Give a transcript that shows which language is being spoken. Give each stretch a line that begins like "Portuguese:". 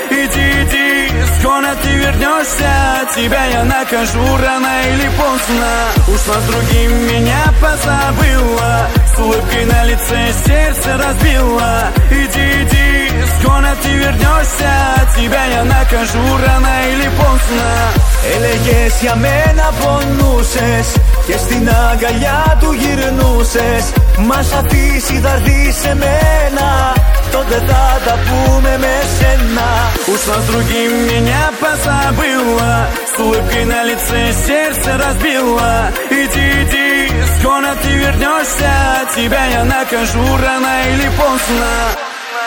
Russian: Иди, иди, скоро ты вернешься, тебя я накажу рано или поздно. Ушла с другим, меня позабыла, с улыбкой на лице сердце разбила. Иди, иди, скоро ты вернешься, тебя я накажу рано или поздно.
Greek: Έλεγες για μένα πονούσες και στην αγκαλιά του γυρνούσες. Μα σαν τη σιδαρδί σε μένα, τότε θα τα πούμε με σένα.
Russian: Ушла с другим, меня позабыла, с улыбкой на лице сердце разбила. Иди, иди, скоро ты вернешься, тебя я накажу рано или поздно.